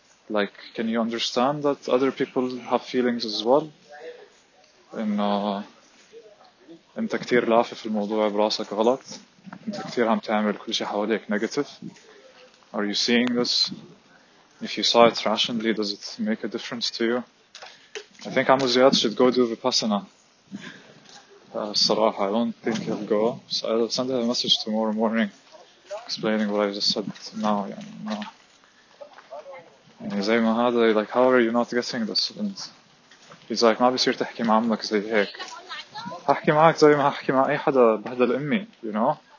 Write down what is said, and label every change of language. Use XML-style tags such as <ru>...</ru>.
<en>Like, can you understand that other people have feelings as well?</en> <ar>And, انت كتير لافي في الموضوع براسك غلط. انت كتير عم تعمل كل شيء حواليك negative.</ar> <en>Are you seeing this? If you saw it rationally, does it make a difference to you? I think Amuziat should go do Vipassana. Saraha, I don't think he'll go. So I'll send him a message tomorrow morning explaining what I just said now. And he's like, how are you not getting this? And he's like,</en> <ar>ما بيصير تحكي مع عمك زي هيك. حكي معك زي ما حكي مع أي حدا بهدل أمي,</ar> <en>you know?</en>